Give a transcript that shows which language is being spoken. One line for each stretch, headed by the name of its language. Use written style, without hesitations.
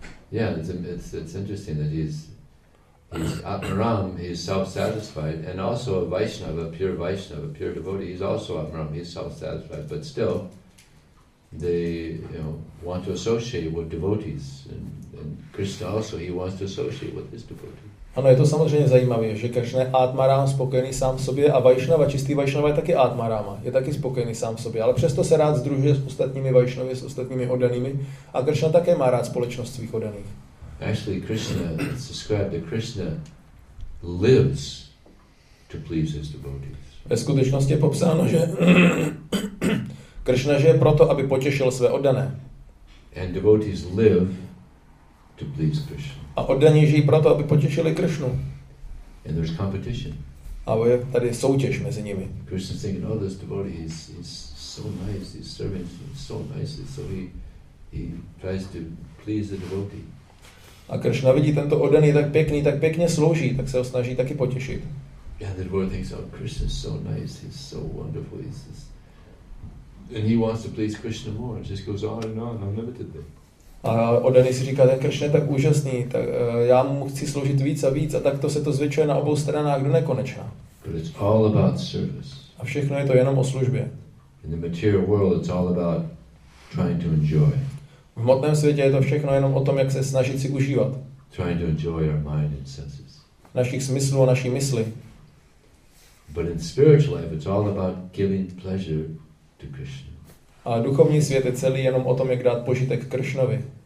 English: Yeah, it's interesting that he's Atmaram, he's self-satisfied, and also a Vaishnava, a pure devotee, he's also Atmaram, he's self-satisfied, but still, they, you know, want to associate with devotees, and Krishna also, he wants to associate with his devotee.
Czech: Ano, je to samozřejmě zajímavé, že Krishna je Atmaram, spokojený sám v sobě, a Vaishnava, čistý Vaishnava je taky Atmarama, je taky spokojený sám v sobě, ale přesto se rád združuje s ostatními Vaishnavy, s ostatními oddanými, a Krishna také má rád společnost svých oddaných.
English: Actually, Krishna, it's described that Krishna lives to please his devotees.
Czech: Ve skutečnosti je popsáno, že Krishna žije proto, aby potěšil své oddané.
English: And devotees live to please Krishna.
Czech: A oddaní žijí proto, aby potěšili Krishnu.
English: And there's competition.
Czech: A je tady soutěž mezi nimi.
English: Krishna is thinking, oh, this devotee is so nice, he's serving so nice, so he tries to please the devotee.
Czech: A Krishna vidí tento oddaný tak pěkně slouží, tak se ho snaží taky potěšit.
English: Yeah, the devotee thinks, oh, Krishna is so nice, he's so wonderful, he's just... And he wants to please Krishna more. It just goes on and on, unlimitedly.
Czech: A oddaný si říká, ten Krishna je tak úžasný, tak já mu chci sloužit víc a víc, a tak to se to zvětšuje na obou stranách do nekonečna.
English: But it's all about service.
Czech: A všechno je to jenom o službě.
English: In the material world, it's all about trying to enjoy.
Czech: V hmotném světě je to všechno jenom o tom, jak se snažit si užívat.
English: Trying to enjoy our mind and senses.
Czech: Našich smyslů a naší mysli.
English: But in spiritual life, it's all about giving pleasure to Krishna.
Czech: A duchovní svět je celý jenom o tom, jak dát požitek Kršnovi.